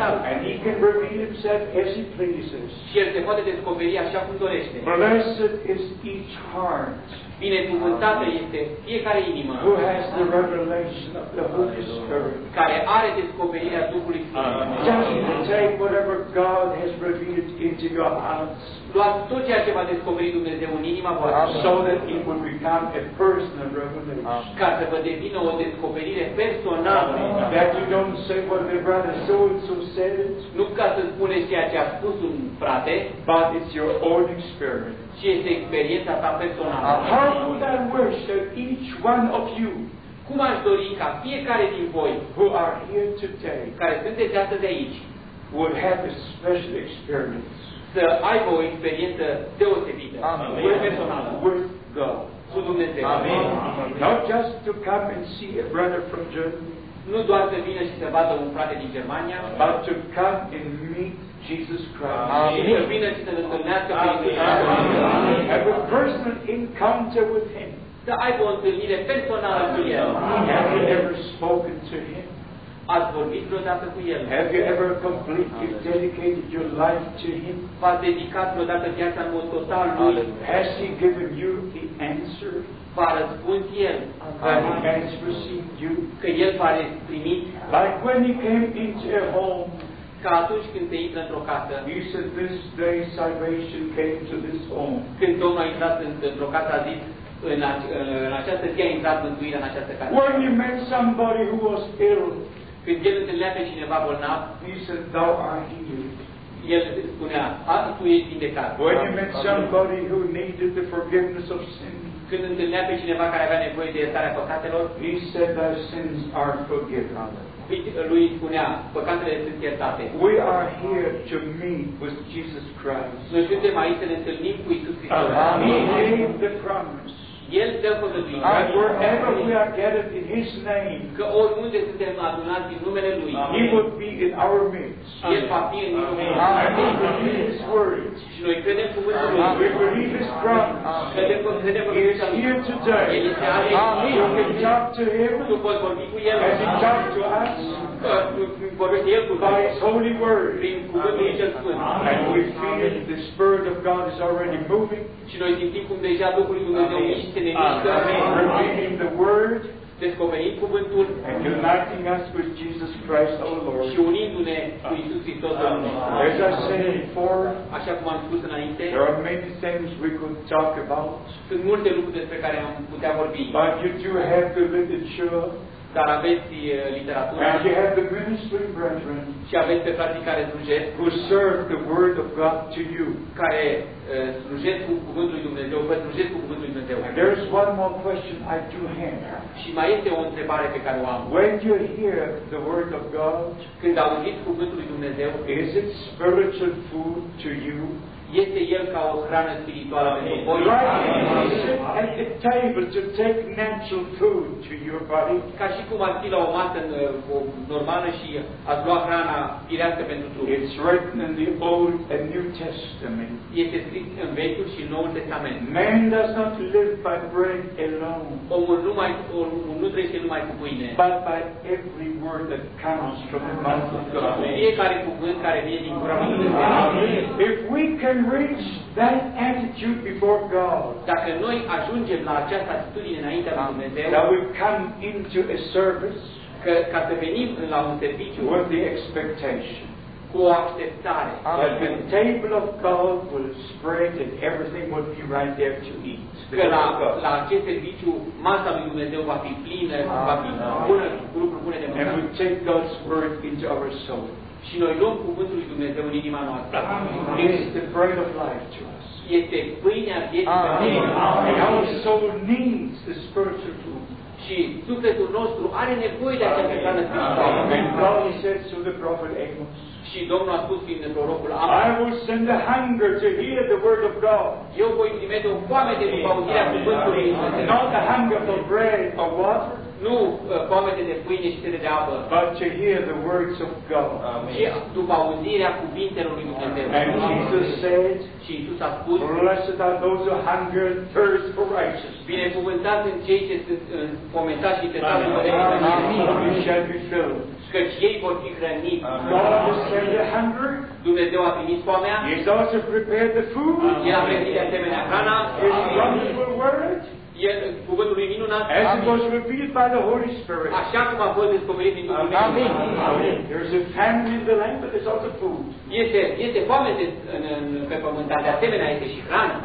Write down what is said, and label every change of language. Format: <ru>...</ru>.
<en>And he can reveal himself as he pleases.</en> <ro>Și el se poate descoperi așa cum dorește.</ro> <en>Blessed is each heart.</en> <ro>Binecuvântată este fiecare inimă.</ro> <en>Who has the revelation of the Holy Spirit?</en> <ro>Care are descoperirea Duhului Sfânt.</ro> <en>Just take whatever God has revealed into your hearts.</en> <ro>Luați tot ceea ce va descoperi Dumnezeu în inima voastră.</ro> <en>so that it would become a personal revelation.</en> <ro>Ca să vă devină o descoperire personală.</ro> <en>That you don't say what the brother so and so said.</en> <ro>Nu ca să spuneți ceea ce a spus un frate.</ro> <en>But it's your own experience.</en> <ro>Ci este experiența ta personală.</ro> <en>How would I wish that each one of you,</en> <ro>cum aș dori ca fiecare din voi,</ro> <en>who are here today,</en> <ro>care sunteți astăzi de aici,</ro> <en>would have a special experience,</en> <ro>să aibă o experiență deosebită, personală,</ro> <en>with God,</en> <ro>cu Dumnezeu.</ro> <en>Amen. Not just to come and see a brother from Germany,</en> <ro>nu doar să vină și să vadă un frate din Germania,</ro> <en>but to come and meet Jesus Christ. Have a personal encounter with him.</en> <ro>Să aibă o întâlnire personală cu el.</ro> <en>Have you ever spoken to him?</en> <ro>Ați vorbit vreodată cu el?</ro> <en>Have you ever completely dedicated your life to him?</en> <ro>V-ați dedicat vreodată viața în mod total lui?</ro> <en>Has he given you the answer?</en> <ro>V-a răspuns el?</ro> <en>Has he received you?</en> <ro>Că el v-a primit?</ro> <en>Like when he came into a home,</en> <ro>ca atunci când te intră într-o casă.</ro> <en>He said, this day salvation came to this home.</en> <ro>Când Domnul a intrat într-o casă, a zis, în această zi a intrat mântuirea în această casă.</ro> <en>When you met somebody who was ill,</en> <ro>când el întâlnea pe cineva bolnav,</ro> <en>he said, thou art healed.</en> <ro>El spunea, tu ești vindecat.</ro> <en>When you met somebody who needed the forgiveness of sin,</en> <ro>când întâlnea pe cineva care avea nevoie de iertarea păcatelor,</ro> <en>he said, thy sins are forgiven.</en> <ro>Lui spunea, păcatele sunt iertate.</ro> <en>We are here to meet with Jesus Christ.</en> <ro>Noi suntem aici să ne întâlnim cu Iisus Hristos.</ro> <en>Amen. He gave the promise.</en> <ro>El dă făgăduința.</ro> <en>And wherever we are gathered in His name,</en> <ro>că oriunde suntem adunați în numele Lui,</ro> <en>He would be in our midst.</en> <ro>El va fi în mijlocul nostru.</ro> <en>We believe His words.</en> <ro>Și noi credem cuvântul Lui.</ro> <en>We believe His promise.</en> <ro>Că credem în Cuvântul Lui.</ro> <en>He is here today.</en> <ro>El este aici.</ro> <en>You can talk to Him.</en> <ro>Tu poți vorbi cu El.</ro> <en>As He talked to us.</en> <ro>Vorbește El cu noi.</ro> <en>By His holy word.</en> <ro>Prin cuvântul Cel Sfânt.</ro> <en>And we feel that the Spirit of God is already moving.</en> <ro>Și noi simțim cum deja Duhul Lui Dumnezeu miște, ne mișcă.</ro> <en>Repeating the word,</en> <ro>descoperind cuvântul,</ro> <en>and uniting us with Jesus Christ, our Lord.</en> <ro>Și unindu-ne cu Iisus Hristos, Domnul.</ro> <en>As I said before,</en> <ro>așa cum am spus înainte,</ro> <en>there are many things we could talk about.</en> <ro>Sunt multe lucruri despre care am putea vorbi.</ro> <en>But you do have the literature.</en> <ro>Dar aveți literatura.</ro> <en>And you have the ministry brethren.</en> <ro>Și aveți pe frații care slujesc.</ro> <en>Who serve the word of God to you.</en> <ro>Care slujesc cu cuvântul lui Dumnezeu. Slujesc cu cuvântul lui Dumnezeu.</ro> <en>There is one more question I do have.</en> <ro>Și mai este o întrebare pe care o am.</ro> <en>When you hear the word of God,</en> <ro>când auziți cuvântul lui Dumnezeu,</ro> <en>is it spiritual food to you?</en> <ro>Este el ca o hrană spirituală pentru voi?</ro> <en>Right. At the table to take natural food to your body.</en> <ro>Ca și cum ar fi la o masă normală și ați lua hrana firească pentru trup.</ro> <en>It's written in the Old and New Testament.</en> <ro>Este scris în Vechiul și Noul Testament.</ro> <en>Man does not live by bread alone.</en> <ro>Omul nu mai trăiește numai cu pâine.</ro> <en>But by every word that comes from the mouth of God.</en> <ro>Fiecare cuvânt care vine din gura lui Dumnezeu.</ro> <en>Can reach that attitude before God.</en> <ro>Dacă noi ajungem la această atitudine înaintea lui Dumnezeu,</ro> <en>that we come into a service,</en> <ro>ca să venim la un serviciu,</ro> <en>with the expectation,</en> <ro>cu o așteptare,</ro> <en>that the table of God will spread and everything will be right there to eat.</en> <ro>Că la acest serviciu masa lui Dumnezeu va fi plină, va fi bună, cu lucruri bune de mâncat.</ro> <en>And we take God's word into our soul.</en> <ro>Și noi luăm cuvântul lui Dumnezeu în inima noastră.</ro> <en>Amen. It is the bread of life to us.</en> <ro>Este pâinea vieții.</ro> <en>Amen. Our soul needs the spiritual food.</en> <ro>Și sufletul nostru are nevoie de această hrană spirituală. Și Domnul a spus prin prorocul</ro> <en>Amos, I will send a hunger to hear the word of God.</en> <ro>Eu voi trimite o foamete după auzirea cuvântului.</ro> <en>Not a hunger for bread or water.</en> <ro>Nu foamete de pâine și sete de apă,</ro> <en>but to hear the words of God.</en> <ro>Și după auzirea cuvintelor lui Dumnezeu.</ro> <en>And Jesus said,</en> <ro>și Iisus a spus,</ro> <en>blessed are those who hunger and thirst for righteousness.</en> <ro>Binecuvântați sunt cei ce sunt înfometați și tătați după de mine.</ro> <en>Shall be filled.</en> <ro>Căci ei vor fi hrăniți.</ro> <en>God has sent the hunger.</en> <ro>Dumnezeu a primit foamea.</ro> <en>He has also prepared the food.</en> <ro>El a pregătit de asemenea hrana.</ro> <en>His wonderful word.</en> <ro>cuvântul lui minunat.</ro> <en>As it was revealed by the Holy Spirit.</en> <ro>Așa cum a fost descoperit prin Duhul Sfânt. Amin.</ro> <en>There's a famine in the land, but there's also food.</en> <ro>Este foamete pe pământ, dar de asemenea este și hrană.</ro>